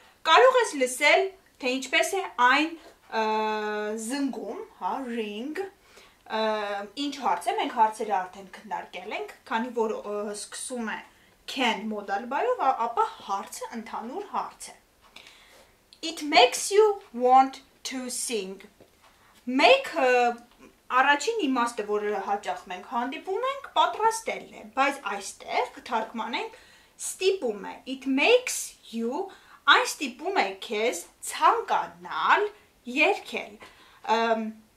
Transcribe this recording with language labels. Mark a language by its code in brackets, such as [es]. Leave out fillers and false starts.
[hy] Կարող ես լսել, թե ինչպես է այն զնգում, հա, ring. Ինչ հարց է, մենք հարցերը արդեն քննարկել ենք, քանի որ սկսում է can modal by-ով, ապա հարցը ընդհանուր հարց է. [en] It makes you want to sing. [hy] Make առաջին իմաստը, որը հաճախ մենք հանդիպում ենք, պատրաստելն է, բայց այստեղ կթարգմանենք ստիպում է. [en] It makes you, [hy] այն ստիպում է քեզ ցանկանալ երգել.